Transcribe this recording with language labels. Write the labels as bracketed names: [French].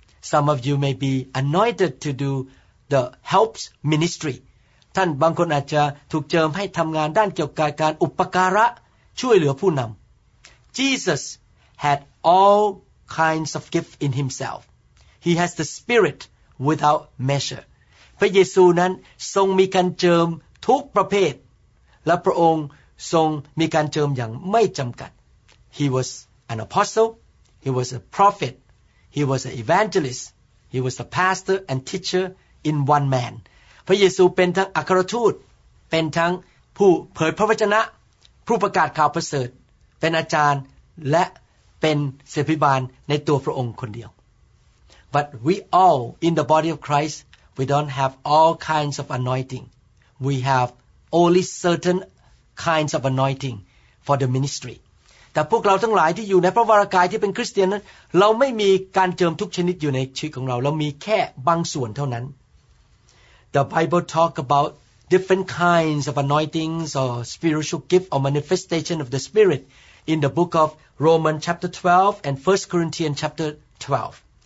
[English] Some of you may be anointed to do the helps ministry [Thai] ท่านบางคนอาจจะถูกเจิมให้ทำงานด้านเกี่ยวกับการอุปการะช่วยเหลือผู้นำ [English] Jesus had all kinds of gifts in himself. He has the Spirit without measure. [Thai] พระเยซูนั้นทรงมีการเจิมทุกประเภทและพระองค์ทรงมีการเจิมอย่างไม่จำกัด [English] He was an apostle. He was a prophet. He was an evangelist. He was a pastor and teacher in one man. [Thai] พระเยซูเป็นทั้งอัครทูตเป็นทั้งผู้เผยพระวจนะผู้ประกาศข่าวประเสริฐเป็นอาจารย์และเป็นศิษยาภิบาลในตัวพระองค์คนเดียว [English] But we all in the body of Christ we don't have all kinds of anointing we have only certain kinds of anointing for the ministry [Thai] แต่พวกเราทั้งหลายที่อยู่ในพระวรกายที่เป็นคริสเตียนนั้นเราไม่มีการเจิมทุกชนิดอยู่ในชีวิตของเราเรามีแค่บางส่วนเท่านั้น [English] The Bible talk about different kinds of anointings or spiritual gift or manifestation of the Spirit in the book of Romans chapter 12 and 1 Corinthians chapter 12.